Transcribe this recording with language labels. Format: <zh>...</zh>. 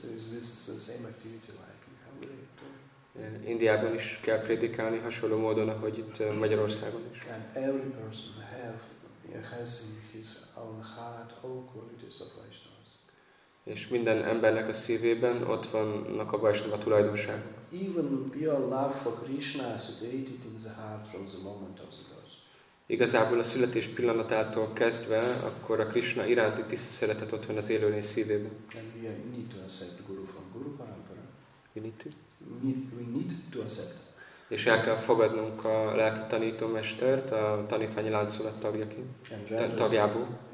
<en>This is the same activity like in Hungary.</en> <hu>Indiában is kell prédikálni hasonló módon, ahogy itt Magyarországon is.</hu> <en>And every person has in his own heart all qualities of Vaishnavas.</en> <hu>És minden embernek a szívében ott vannak a Vaisnava tulajdonságok.</hu> <en>Even pure love for Krishna sedated in the heart from the moment of the birth.</en> <hu>Igazából a születés pillanatától kezdve, akkor a Krishna iránti tiszta szeretet ott van az élőlény szívében.</hu> <en>And we need to accept Guru from Guru Parampara. We need to accept.</en> <hu>És el kell fogadnunk a lelki tanítómestert, a tanítványi láncolat tagjából.</hu>